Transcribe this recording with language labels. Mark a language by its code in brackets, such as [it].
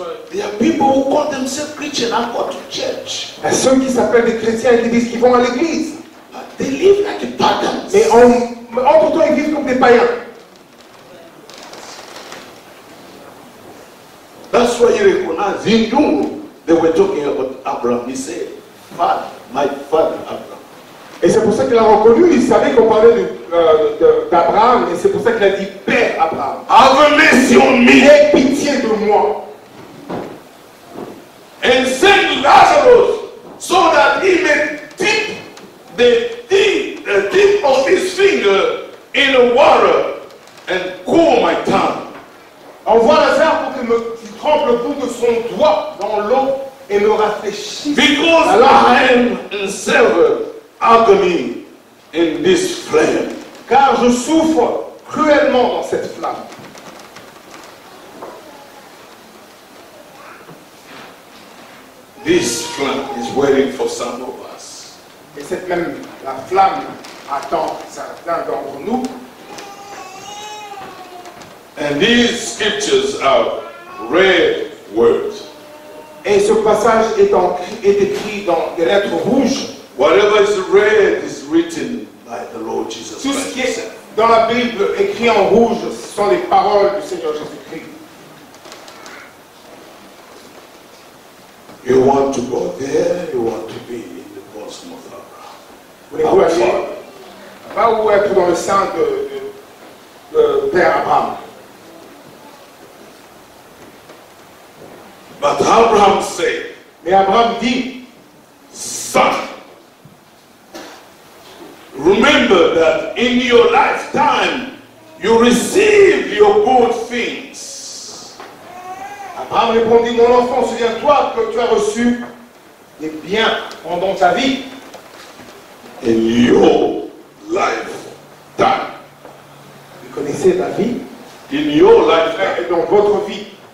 [en] There are people who call themselves Christian and go to church. [fr] Il y a ceux qui s'appellent des chrétiens et qui disent qu'ils vont à l'église. [en] But they live like a pagan. [fr] Mais entre temps ils vivent comme des païens. [en] That's why he recognized. He knew they were talking about Abraham. He said. father, my father Abraham. [fr] Et c'est pour ça qu'il a reconnu, il savait qu'on parlait d'Abraham, et c'est pour ça qu'il a dit Père Abraham. [en] Have mercy on me. [fr] Aie pitié de moi. [en] And send Lazarus so that he may dip the tip of his finger in the water and cool my tongue. [fr] Envoie Lazare pour qu'il me trempe le bout de son doigt dans l'eau et me rafraîchisse. [en] Because alors, I am in several agony in this flame. [fr] Car je souffre cruellement dans cette flamme. [en] This flame is waiting for some of us. [fr] Et cette même la flamme attend certains d'entre nous. [en] And these scriptures are red words. [fr] Et ce passage est écrit dans des lettres rouges. [en] Whatever is red is written by the Lord Jesus Christ. [fr] Tout ce qui est dans la Bible écrit en rouge, ce sont les paroles du Seigneur Jésus-Christ. [en] You want to go there, you want to be in the bosom of Abraham. [fr] Vous voulez aller là où être dans le sein de Père Abraham. [en] But Abraham said, [fr] mais Abraham dit, [en] son, remember that in your lifetime you received your good things. [fr] Abraham répondit, mon enfant, souviens-toi que tu as reçu les biens pendant ta vie. [en] In your lifetime. [fr] Vous connaissez la vie? [en] In your lifetime. [fr] Et dans votre vie.